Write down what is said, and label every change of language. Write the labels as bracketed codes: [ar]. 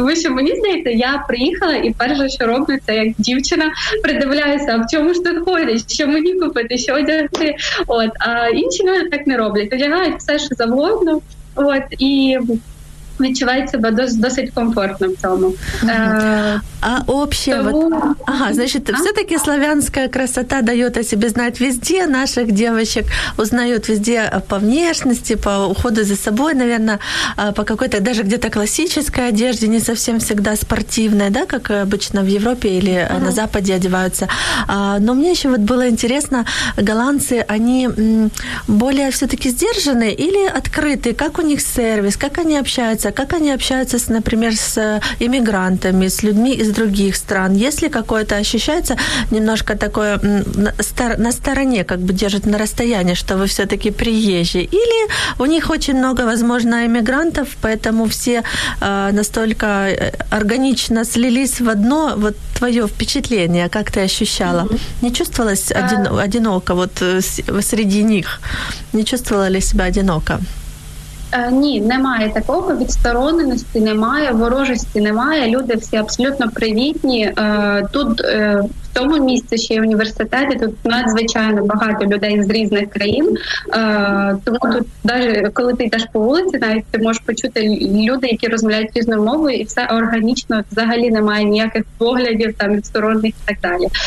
[uk] Тому що мені здається, я приїхала, і перше, що роблю, це як дівчина, придивляюся, а в чому ж тут ходять, що мені купити, що одягти. От. А інші люди так не роблять. Одягають все, що завгодно. От. І відчувають себе досить комфортно в цьому. [ru] А общее, вот, ага, значит, все-таки славянская красота дает о себе знать везде, наших девочек узнают везде по внешности, по уходу за собой, наверное, по какой-то даже где-то классической одежде, не совсем всегда спортивной, да, как обычно в Европе или на Западе одеваются. Но мне еще вот было интересно, голландцы, они более все-таки сдержаны или открыты? Как у них сервис, как они общаются? Как они общаются, например, с иммигрантами, с людьми из других стран? Если какое-то ощущается немножко такое на стороне, как бы держит на расстоянии, что вы все-таки приезжие? Или у них очень много, возможно, иммигрантов, поэтому все настолько органично слились в одно, вот твое впечатление, как ты ощущала? Не чувствовалась одиноко вот среди них? Не чувствовала ли себя одиноко? [uk] Ні, немає такого, відстороненості немає, ворожості немає, люди всі абсолютно привітні. Тут в тому місці ще й університеті, тут надзвичайно багато людей з різних країн. Тому тут навіть коли ти йдеш по вулиці, навіть ти можеш почути люди, які розмовляють різною мовою, і все органічно, взагалі немає ніяких поглядів там відсторонних і так далі.